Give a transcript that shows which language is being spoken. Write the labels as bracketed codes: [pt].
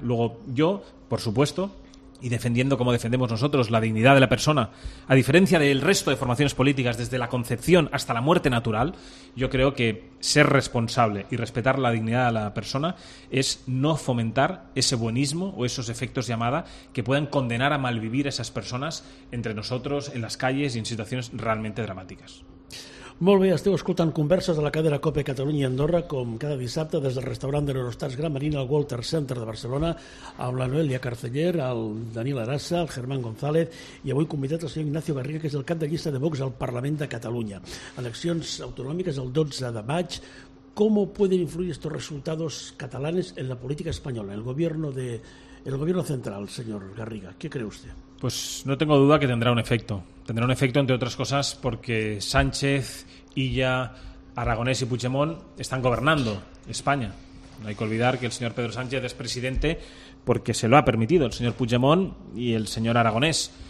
[es] Luego, yo, por supuesto, y defendiendo como defendemos nosotros la dignidad de la persona, a diferencia del resto de formaciones políticas, desde la concepción hasta la muerte natural, yo creo que ser responsable y respetar la dignidad de la persona es no fomentar ese buenismo o esos efectos llamada que puedan condenar a malvivir a esas personas entre nosotros, en las calles y en situaciones realmente dramáticas. [ca] Molt bé, esteu escoltant converses de la cadena COPE Catalunya i Andorra, com cada dissabte, des del restaurant de l'Eurostars Gran Marina al Walter Center de Barcelona, amb la Noelia Carceller, el Daniel Arasa, el Germán González, i avui convidat el senyor Ignacio Garriga, que és el cap de llista de Vox al Parlament de Catalunya. Eleccions autonòmiques el 12 de maig. ¿Com poden influir aquests resultats catalans en la política espanyola, en el gobierno de... [es] El gobierno central, señor Garriga, ¿qué cree usted? Pues no tengo duda que tendrá un efecto. Tendrá un efecto, entre otras cosas, porque Sánchez, Illa, Aragonés y Puigdemont están gobernando España. No hay que olvidar que el señor Pedro Sánchez es presidente porque se lo ha permitido el señor Puigdemont y el señor Aragonés.